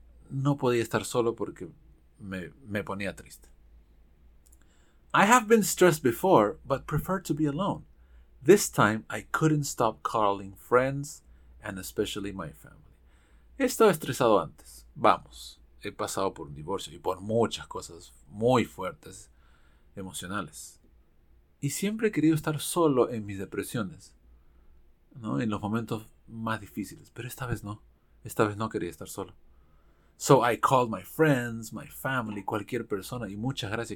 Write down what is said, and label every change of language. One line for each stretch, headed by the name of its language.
Spanish: No podía estar solo porque me ponía triste.
English: I have been stressed before, but prefer to be alone. This time, I couldn't stop calling friends and especially my family.
Spanish: He estado estresado antes. Vamos, he pasado por un divorcio y por muchas cosas muy fuertes emocionales. Y siempre he querido estar solo en mis depresiones, ¿no?, en los momentos más difíciles. Pero esta vez no. Esta vez no quería estar solo.
English: So I called my friends, my family,
Spanish: cualquier persona. Y muchas gracias.